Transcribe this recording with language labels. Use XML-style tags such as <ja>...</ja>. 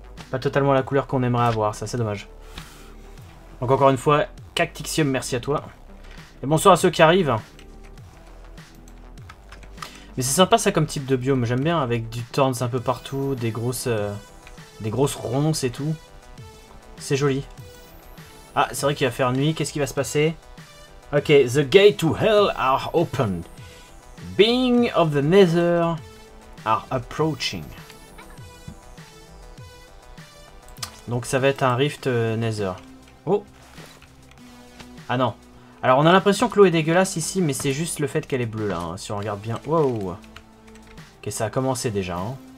<fr>Pas totalement la couleur qu'on aimerait avoir. Ça, c'est dommage. Donc encore une fois, Cactixium, merci à toi. Et bonsoir à ceux qui arrivent. Mais c'est sympa ça comme type de biome, j'aime bien avec du thorns un peu partout, des grosses ronces et tout. C'est joli. Ah, c'est vrai qu'il va faire nuit, qu'est-ce qui va se passer?</fr> <en>Ok, the gate to hell are opened. Being of the nether are approaching.</en> <fr>Donc ça va être un rift nether. Oh! Ah non! Alors on a l'impression que l'eau est dégueulasse ici, mais c'est juste le fait qu'elle est bleue là, hein, si on regarde bien. Wow. Ok, ça a commencé déjà. Hein.</fr>